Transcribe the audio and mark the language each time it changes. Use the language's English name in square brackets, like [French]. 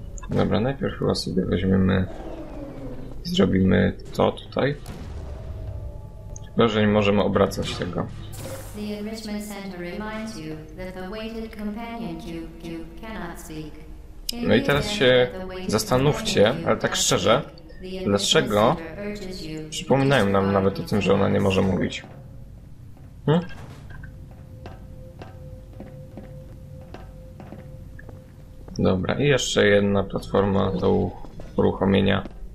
[Polish] Dobra, najpierw chyba sobie weźmiemy i zrobimy to tutaj. Chyba, że nie możemy obracać tego. [English] The enrichment center reminds you that the weighted companion cube cannot speak. [Polish] No i teraz się zastanówcie, ale tak szczerze, dlaczego przypominają nam nawet o tym, że ona nie może mówić? Dobra, i jeszcze jedna platforma do uruchomienia.